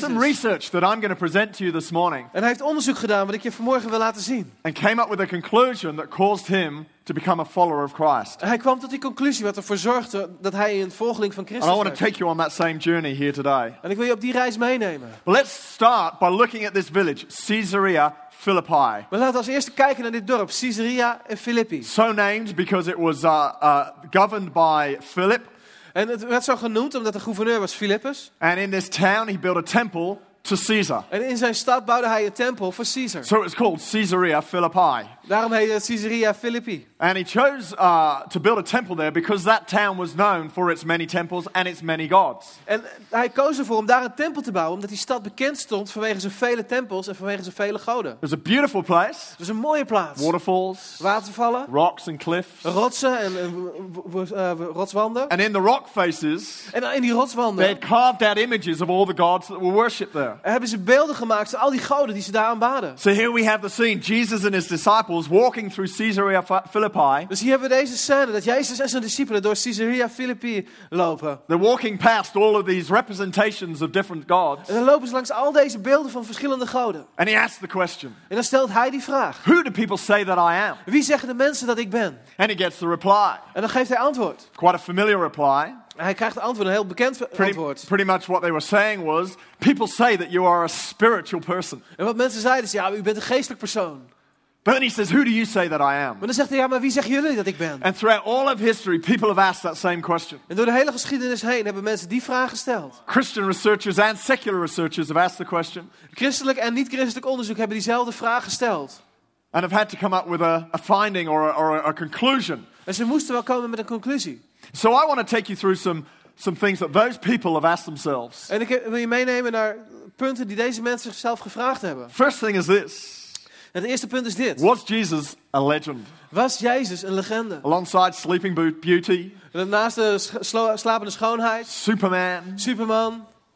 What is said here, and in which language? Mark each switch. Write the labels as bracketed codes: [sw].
[en] Some research that I'm going to present to you this morning. [nl] En hij heeft onderzoek gedaan wat ik je vanmorgen wil laten zien. [en] And came up with a conclusion that caused him to become a follower of Christ. [nl] Hij kwam tot die conclusie wat ervoor zorgde dat hij een volgeling van Christus [en] was. I want to take you on that same journey here today. [nl] En ik wil je op die reis meenemen. [en] But let's start by looking at this village, Caesarea Philippi. [nl] We laten als eerste kijken naar dit dorp, Caesarea en Philippi. [en] So named because it was governed by Philip. [nl] En het werd zo genoemd omdat de gouverneur was Philippus. [en] And in this town he built a temple to Caesar. [nl] En in zijn stad bouwde hij een tempel voor Caesar. [en] So it's called Caesarea Philippi. [nl] Daarom heette het Caesarea Philippi. [en] And he chose to build a temple there because that town was known for its many temples and its many gods. [nl] En hij koos ervoor om daar een tempel te bouwen omdat die stad bekend stond vanwege zijn vele tempels en vanwege zijn vele goden. [en] It was a beautiful place. [nl] Het was een mooie plaats. [en] Waterfalls. [nl] Watervallen. [en] Rocks and cliffs. [nl] Rotsen en rotswanden. [en] And in the rock faces. [nl] En in die rotswanden. [en] They had carved out images of all the gods that were worshipped there. [nl] En hebben ze beelden gemaakt van al die goden die ze daar aanbaden. [en] So here we have the scene, Jesus and his disciples walking through Caesarea Philippi. [nl] Dus hier hebben we deze scène dat Jezus en zijn discipelen door Caesarea Philippi lopen. [en] They're walking past all of these representations of different gods. [nl] En dan lopen ze langs al deze beelden van verschillende goden. [en] And he asks the question. [nl] En dan stelt hij die vraag. [en] Who do people say that I am? [nl] Wie zeggen de mensen dat ik ben? [en] And he gets the reply. [nl] En dan geeft hij antwoord. [en] Quite a familiar reply. [nl] Hij krijgt het antwoord, een heel bekend antwoord. [en] Pretty much what they were saying was, people say that you are a spiritual person. [nl] En wat mensen zeiden is, ja, u bent een geestelijk persoon. [en] But then he says, who do you say that I am? [nl] Maar dan zegt hij, ja, maar wie zeggen jullie dat ik ben? [en] And throughout all of history, people have asked that same question. [nl] En door de hele geschiedenis heen hebben mensen die vraag gesteld. [en] Christian researchers and secular researchers have asked the question. [nl] Christelijk en niet-christelijk onderzoek hebben diezelfde vraag gesteld. [en] And have had to come up with a finding or a conclusion. [nl] En ze moesten wel komen met een conclusie. [en] So I want to take you through some things that those people have asked themselves. [nl] En ik wil je meenemen naar punten die deze mensen zichzelf gevraagd hebben. [en] First thing is this. [nl] Het eerste punt is dit. [en] Was Jesus a legend? [nl] Was Jezus een legende? [en] Alongside Sleeping Beauty. [nl] Naast de slapende schoonheid. [en] Superman. Superman.